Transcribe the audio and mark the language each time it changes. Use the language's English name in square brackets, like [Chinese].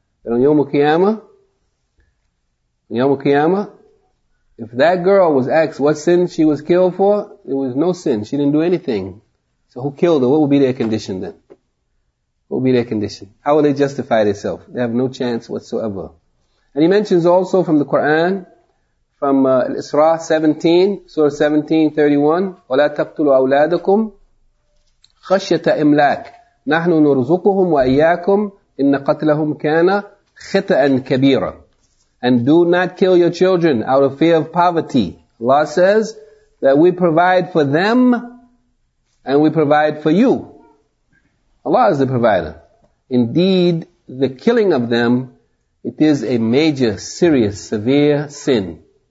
[English] That on Yawm al-Qiyamah, if that girl was asked what sin she was killed for, it was no sin. She didn't do anything. So who killed her? What would be their condition then? What would be their condition? How will they justify themselves? They have no chance whatsoever. And he mentions also from the Quran, from Isra 17, Surah 17, 31, [Arabic] وَلَا تَقْتُلُوا أَوْلَادَكُمْ خَشْيَةَ إِمْلَاكُ نَحْنُ نُرْزُقُهُمْ وَإِيَّاكُمْ إِنَّ قَتْلَهُمْ كَانَ خِطَأً كَبِيرًا. [English] And do not kill your children out of fear of poverty. Allah says that we provide for them and we provide for you. Allah is the provider. Indeed, the killing of them, it is a major, serious, severe sin.